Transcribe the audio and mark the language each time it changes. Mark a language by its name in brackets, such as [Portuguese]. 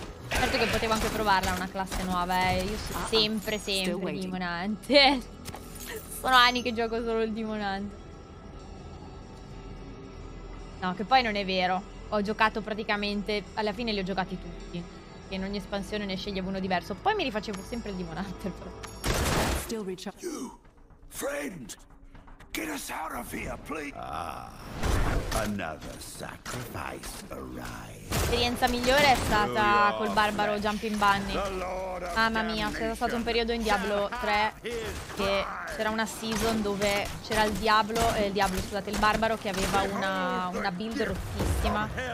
[Italian] Certo che potevo anche provarla una classe nuova, io sono sempre dimonante. Sono anni che gioco solo il dimonante. No, che poi non è vero. Ho giocato praticamente, alla fine li ho giocati tutti. E in ogni espansione ne sceglievo uno diverso. Poi mi rifacevo sempre il dimonante. [English] Still recharging. You, friend, get us out of here, please. Another sacrifice arrived. [Italian] L'esperienza migliore è stata col barbaro Jumping Bunny. Mamma mia, c'era stato un periodo in Diablo 3 che c'era una season dove c'era il diablo, il barbaro che aveva una build rottissima.